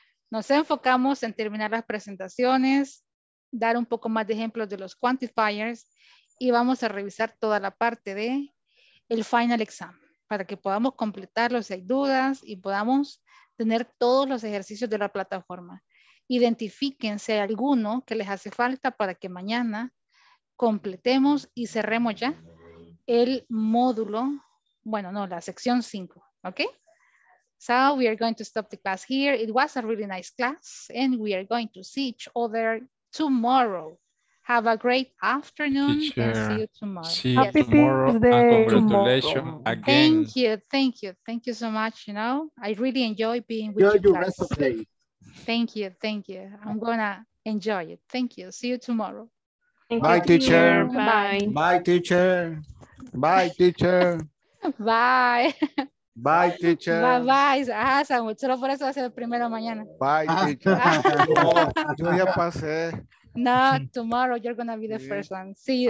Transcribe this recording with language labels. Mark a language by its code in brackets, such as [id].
[es] Nos enfocamos en terminar las presentaciones, dar un poco más de ejemplos de los quantifiers y vamos a revisar toda la parte de el final exam para que podamos completarlo si hay dudas y podamos tener todos los ejercicios de la plataforma. Identifiquen si hay alguno que les hace falta para que mañana completemos y cerremos ya el módulo, bueno, no, la sección 5, ¿ok? [en] So we are going to stop the class here. It was a really nice class and we are going to see each other tomorrow. Have a great afternoon. Teacher, and see you tomorrow. See you tomorrow. Congratulations again. Thank you. Thank you. Thank you so much. You know, I really enjoy being with enjoy you. Your class. Rest of day. Thank you. Thank you. I'm going to enjoy it. Thank you. See you tomorrow. Thank you. Teacher. Bye. Bye, teacher. Bye, teacher. Bye. Bye, teacher. Bye, bye. [es] Ah, Samuel, solo por eso va a ser el primero mañana. [en] Bye, teacher. [es] Yo ya pasé. [en] No, tomorrow you're going to be the first one. See you.